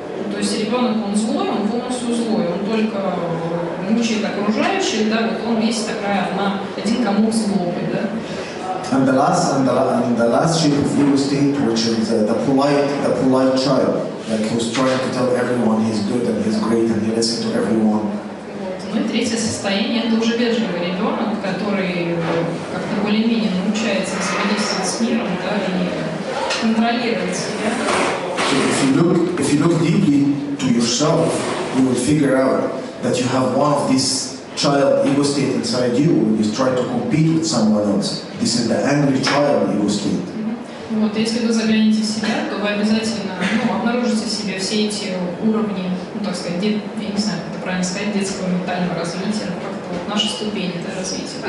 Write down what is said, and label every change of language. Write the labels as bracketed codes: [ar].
[ru] То есть ребенок, он злой, он полностью злой. Он только мучает окружающих, да, вот он есть такая одна, один комок злобы, да. [en] And the last shape of ego state, which is the polite child, like who's trying to tell everyone he's good and he's great and he listens to everyone. [ru] Вот. Ну и третье состояние — это уже вежливый ребенок, который как-то более-менее научается взаимодействовать с миром, да, и контролировать себя. [en] So if you look deeply to yourself, you will figure out that you have one of these child ego state inside you when you try to compete with someone else. This is the angry child ego state. Mm-hmm. [ru] Вот, если вы заглянете в себя, то вы обязательно, ну, обнаружите в себе все эти уровни, ну, так сказать, я не знаю, как это правильно сказать, детского ментального развития, ну, как-то вот наши ступени это развитие.